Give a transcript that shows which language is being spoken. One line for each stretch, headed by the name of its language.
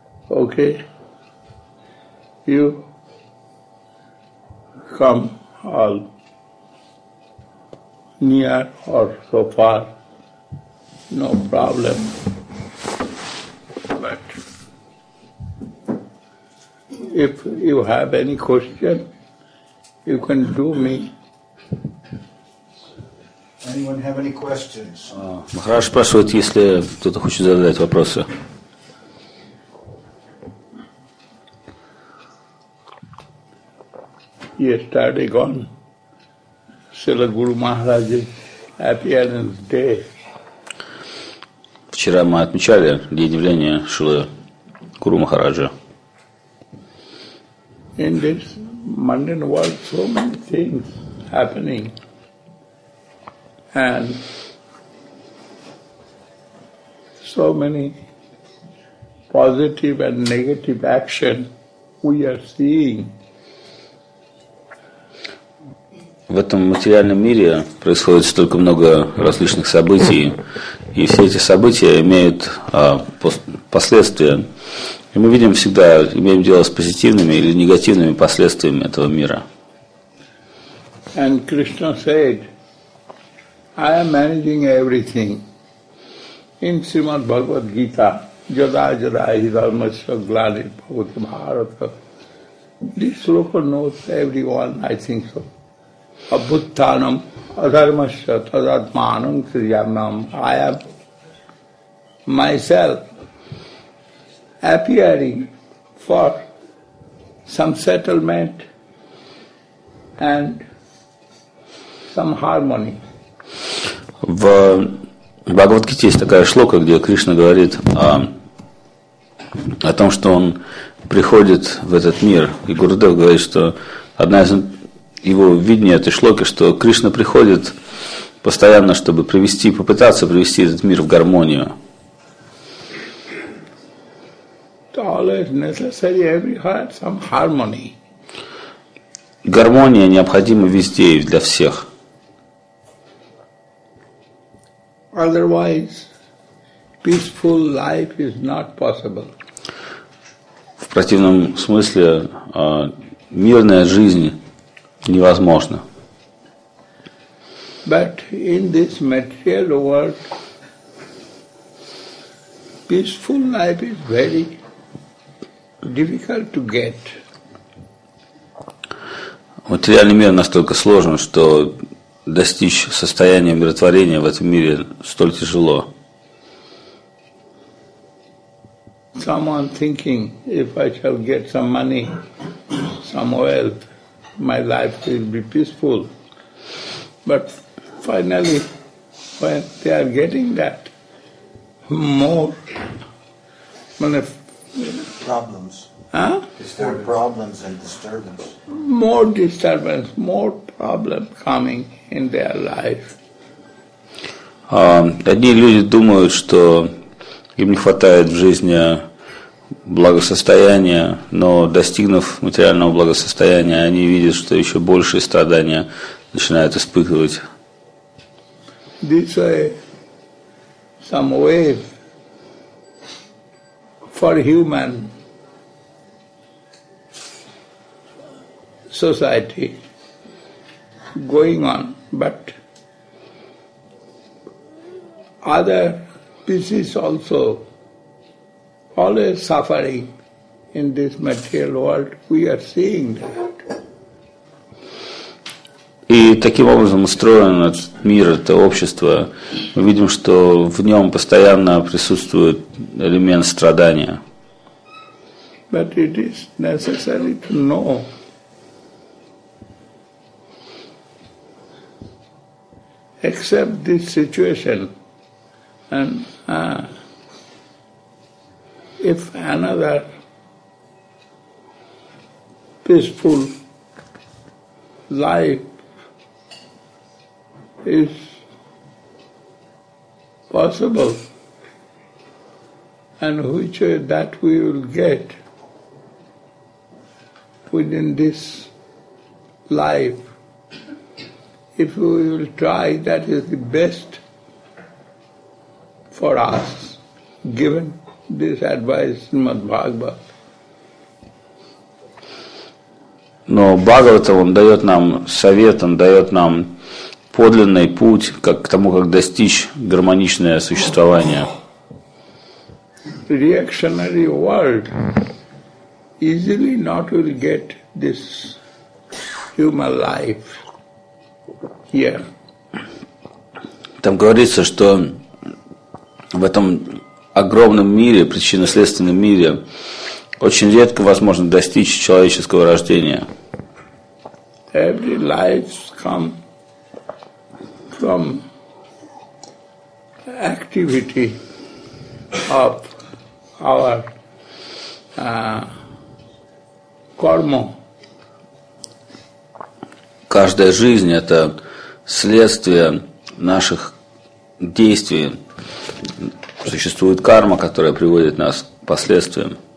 English: Okay, you come all near or so far, no problem, but if you have any question, you can do me. Anyone have any questions?
Russian: Maharaj спрашивает, если кто-то хочет задать вопросы.
English: Yesterday gone, Srila Guru Maharaj's appearance day.
Russian: Вчера мы отмечали день явления Шрилы Гуру Махараджа.
English: In this mundane world, so many things happening, and so many positive and negative action we are seeing.
Russian: В этом материальном мире происходит столько много различных событий, и все эти события имеют последствия. И мы видим всегда, имеем дело с позитивными или негативными последствиями этого мира.
English: And Krishna said, I am managing everything.
Sanskrit: In Srimad Bhagavad Gita, Jada Jada Hidharma Shaglani Bhagavata Bharata.
English: This sloka knows everyone, I think so.
Sanskrit: Abhuttanam adharmasya tadatmanam kriyamam.
English: I am myself appearing for some settlement and some harmony.
Russian: В Бхагавад-гите есть такая шлока, где Кришна говорит о том, что он приходит в этот мир, и Гурудев говорит, что одна из его видение этой шлоки, что Кришна приходит постоянно, чтобы привести, попытаться привести этот мир в гармонию. Гармония необходима везде и для всех.
English: Otherwise, peaceful life is not possible.
Russian: В противном смысле, мирная жизнь невозможна.
English: But in this material world, peaceful life is very difficult to get.
Russian: Материальный мир настолько сложен, что достичь состояния умиротворения в этом мире столь тяжело.
English: Someone thinking, if I shall get some money, some wealth, my life will be peaceful. But finally, when they are getting that, more problems. Huh? Disturbance. More problems and disturbance. More disturbance, more problem coming in their life.
Russian: Одни люди думают, что им не хватает в жизни благосостояния, но достигнув материального благосостояния, они видят, что еще большие страдания начинают испытывать.
English: This way, some way for human society going on, but other species also always suffering in this material world, we are seeing that.
Russian: И таким образом устроен этот мир, это общество, мы видим, что в нем постоянно присутствует элемент страдания.
English: But it is necessary to know accept this situation and if another peaceful life is possible and which way that we will get within this life, if we will try, that is the best for us, given this advice Srimad Bhagavat.
Russian: Но Бхагавата, он дает нам совет, он дает нам подлинный путь как к тому, как достичь гармоничное существование.
English: Reactionary world easily not will get this human life. Yeah.
Russian: Там говорится, что в этом огромном мире, причинно-следственном мире, очень редко возможно достичь человеческого рождения.
English: Every life comes from activity of our karma.
Russian: Каждая жизнь – это следствие наших действий. Существует карма, которая приводит нас к последствиям.